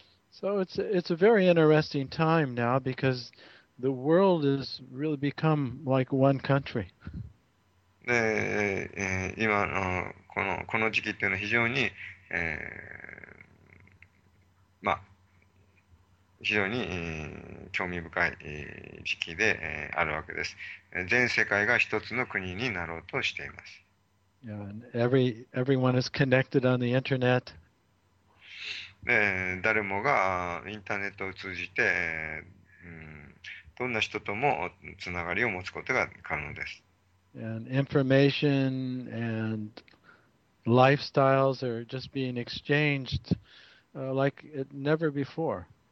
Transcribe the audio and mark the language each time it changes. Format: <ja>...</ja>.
<en>So it's a very interesting time now because the world has really become like one country.</en> <ja>で、今のこの時期っていうのは非常に、まあ、非常に興味深い時期であるわけです。全世界が一つの国になろうとしています。</ja> <en>Yeah, and everyone is connected on the internet.</en> <ja>で誰もがインターネットを通じて、どんな人ともつながりを持つことが可能です。</ja> <en>And information and lifestyles are just being exchanged, like it never before.</en>